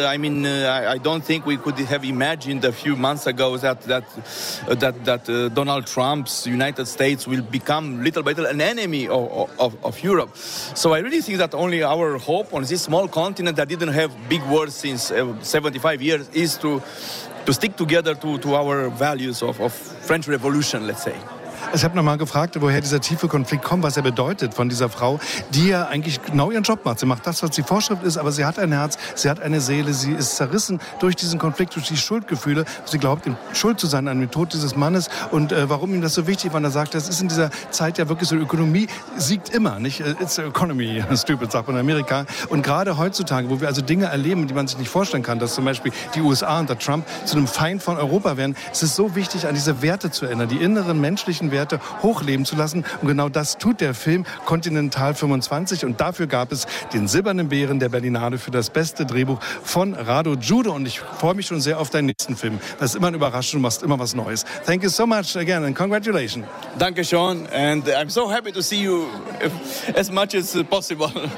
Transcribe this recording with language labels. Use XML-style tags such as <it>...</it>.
<en>I don't think we could have imagined a few months ago that Donald Trump's United States will become little by little an enemy of Europe. So I really think that only our hope on this small continent that didn't have big wars since 75 years is to stick together to our values of French Revolution, let's say.</en> <de>Ich habe nochmal gefragt, woher dieser tiefe Konflikt kommt, was er bedeutet von dieser Frau, die ja eigentlich genau ihren Job macht. Sie macht das, was die Vorschrift ist, aber sie hat ein Herz, sie hat eine Seele, sie ist zerrissen durch diesen Konflikt, durch die Schuldgefühle. Sie glaubt, schuld zu sein an dem Tod dieses Mannes. Und warum ihm das so wichtig war, er sagt, das ist in dieser Zeit ja wirklich so, Ökonomie siegt immer, nicht?</de> <en>It's the economy, stupid,</en> <de>sagt man in Amerika. Und gerade heutzutage, wo wir also Dinge erleben, die man sich nicht vorstellen kann, dass zum Beispiel die USA unter Trump zu einem Feind von Europa werden, ist es so wichtig, an diese Werte zu erinnern, die inneren menschlichen Werte, Werte hochleben zu lassen. Und genau das tut der Film Continental 25. Und dafür gab es den Silbernen Bären der Berlinale für das beste Drehbuch von Rado Giudo. Und ich freue mich schon sehr auf deinen nächsten Film. Das ist immer eine Überraschung, du machst immer was Neues.</de> <en>Thank you so much again and congratulations.</en> <de>Danke schon.</de> <en>And I'm so happy to see you as much as possible.</en>